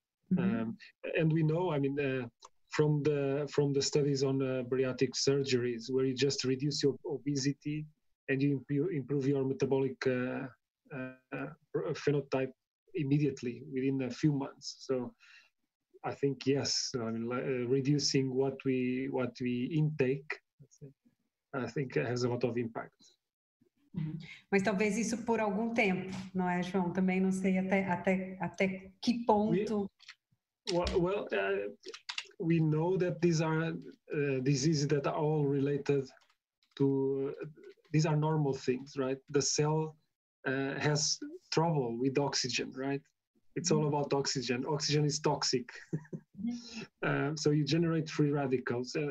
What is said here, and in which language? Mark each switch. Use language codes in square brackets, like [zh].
[en] And we know, I mean, from the studies on bariatric surgeries, where you just reduce your obesity and you improve your metabolic phenotype immediately within a few months. So I think yes, I mean, reducing what we intake, I think has a lot of impact. [pt] Mas talvez isso por algum tempo, não é, João? Também não sei até que ponto. [en] We know that these are diseases that are all related to, these are normal things, right? The cell has trouble with oxygen, right? It's all about oxygen. Oxygen is toxic. So you generate free radicals.